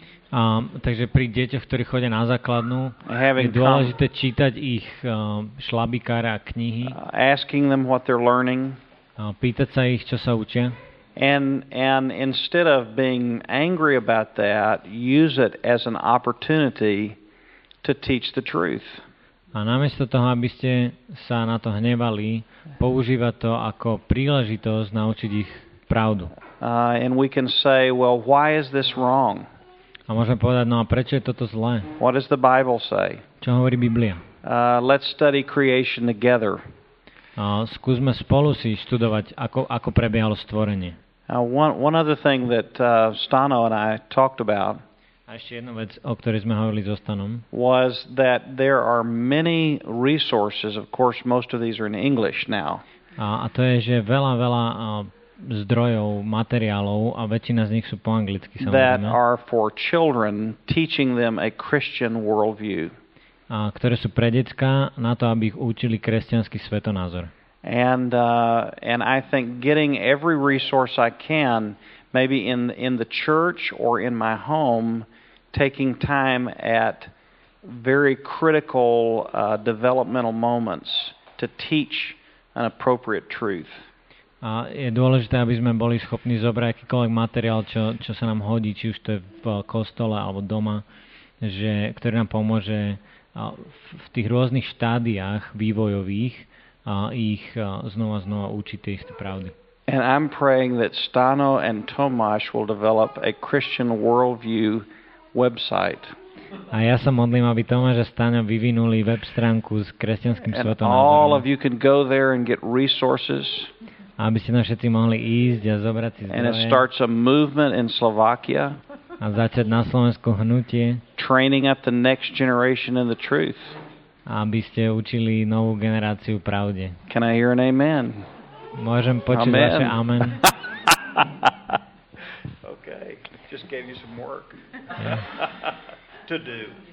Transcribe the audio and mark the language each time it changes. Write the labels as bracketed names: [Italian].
[Slovak] Takže pri deťoch, ktorí chodia na základnú, je dôležité čítať ich šlabikáre a knihy. [English] Asking them what they're learning. [Slovak] Pýtať sa ich, čo sa učia. [English] And instead of being angry about that, use it as an opportunity to teach the truth. [Slovak] A namiesto toho, aby ste sa na to hnevali, používať to ako príležitosť naučiť ich pravdu. [English] And we can say, well, why is this wrong? [Slovak] A môžeme povedať, no a prečo je toto zlé? [English] What does the Bible say? [Slovak] Čo hovorí Biblia? [English] Let's study creation together. [Slovak] Skúsme spolu si študovať, ako prebiehalo stvorenie. [English] One other thing that Stano and I talked about. [Slovak] A ešte jednu vec, o ktorej sme hovorili so Stanom. [English] Was that there are many resources, of course most of these are in English now. [Slovak] A to je, že veľa zdrojov, materiálov a väčšina z nich sú po anglicky samozrejme. [English] That are for children, teaching them a Christian worldview. [Slovak] A ktoré sú pre detská na to, aby ich učili kresťanský svetonázor. [English] And I think getting every resource I can, maybe in the church or in my home, taking time at very critical developmental moments to teach an appropriate truth. [Slovak] A je dôležité, aby sme boli schopní zobrať akýkoľvek materiál, čo sa nám hodí, či už to je v kostole alebo doma, že ktorý nám pomôže v tých rôznych štádiách vývojových ich znova a znova učiť tie isté pravdy. [English] And I'm praying that Stano and Tomáš will develop a Christian worldview website. [Slovak] A ja sa modlím, aby Tomáš a Stano vyvinuli web stránku s kresťanským svetonázorom. [English] And all of you can go there and get resources. [Slovak] Aby ste na všetci mohli ísť a zobrať si zdroje. [English] And it starts a movement in Slovakia. [Slovak] A začať na Slovensku hnutie. [English] Training up the next generation in the truth. [Slovak] Aby ste učili novú generáciu pravde. [English] Can I hear an amen? [Slovak] Môžem počuť vaše amen. [English] Okay. Just gave you some work. Yeah. To do.